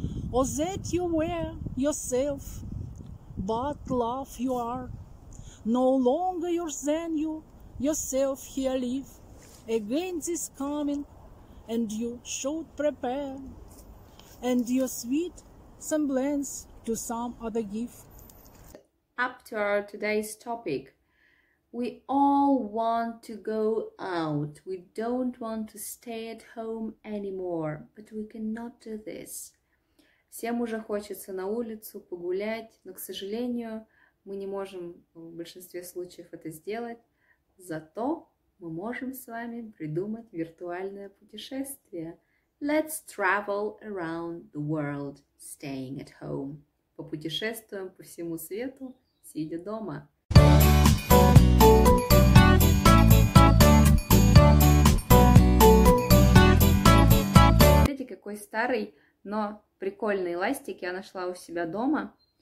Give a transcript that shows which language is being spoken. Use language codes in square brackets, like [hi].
[en] Was that you were yourself, but love you are, no longer yours than you, yourself here live, against is coming, and you should prepare, and your sweet semblance to some other give. Up to our today's topic, we all want to go out, we don't want to stay at home anymore, but we cannot do this. [ru] Всем уже хочется на улицу погулять, но, к сожалению, мы не можем в большинстве случаев это сделать. Зато мы можем с вами придумать виртуальное путешествие. [en] Let's travel around the world, staying at home. [ru] Попутешествуем по всему свету, сидя дома. Видите, какой старый, но прикольный ластик я нашла у себя дома.